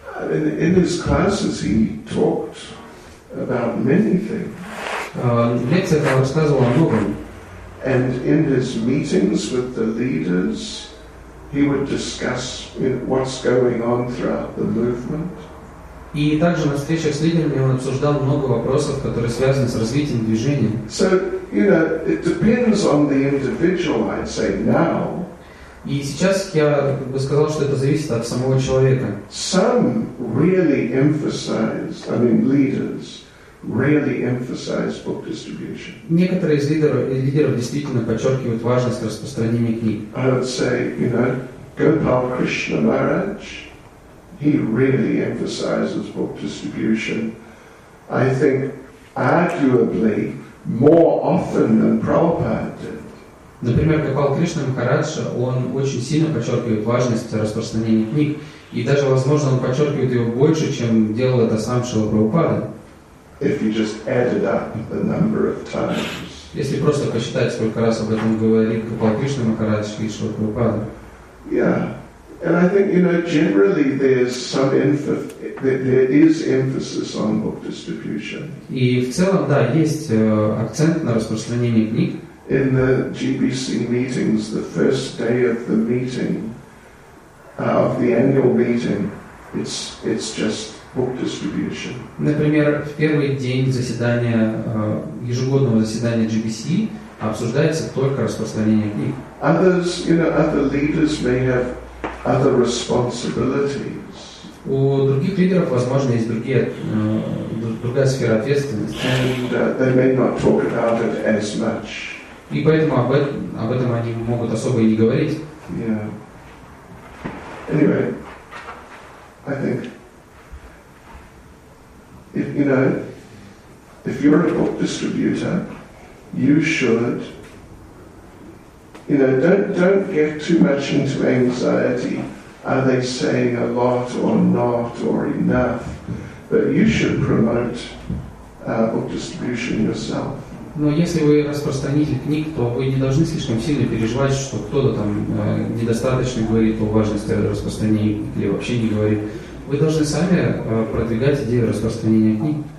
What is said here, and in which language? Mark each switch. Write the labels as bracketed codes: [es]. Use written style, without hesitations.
[en] In his classes he talked about many things. [ru] В лекциях он рассказывал о многом. [en] And in his meetings with the leaders he would discuss what's going on throughout the movement. [ru] И также на встречах с лидерами он обсуждал много вопросов, которые связаны с развитием движения. [en] So, you know, it depends on the individual, I'd say now. [ru] И сейчас я бы сказал, что это зависит от самого человека. [en] Some really emphasize, I mean, leaders really emphasize book distribution. [ru] Некоторые из лидеров действительно подчеркивают важность распространения книг. [en] I would say, you know, Gopal Krishna Maharaj. He really emphasizes book distribution. I think, arguably, more often than Prabhupada did. [ru] Например, Гопал Кришна Махарадж, он очень сильно подчеркивает важность распространения книг, и даже, возможно, он подчеркивает ее больше, чем делал это сам Шрила Прабхупада. [en] If you just added up the number of times. [ru] Если просто посчитать, сколько раз об этом говорит Гопал Кришна Махарадж и Шрила Прабхупада. [en] Yeah. And I think, you know, generally there's some there is emphasis on book distribution. [ru] И в целом, да, есть акцент на распространении книг. [en] In the GBC meetings, the first day of the meeting, of the annual meeting, it's just book distribution. [ru] Например, в первый день заседания ежегодного заседания GBC обсуждается только распространение книг. [en] Others, you know, other leaders may have other responsibilities. [ru] У других лидеров, возможно, есть другая сфера ответственности. [en] And they may not talk about it as much. [ru] И поэтому об этом они могут особо и не говорить. [en] Yeah. Anyway, I think if you know, if you're a book distributor, you should, you know, don't get too much into anxiety. Are they saying a lot or not or enough? But you should promote book distribution yourself. [ru] Но если вы распространитель книг, то вы не должны слишком сильно переживать, что кто-то там недостаточно говорит о важности распространения книг или вообще не говорит. Вы должны сами продвигать идею распространения книг.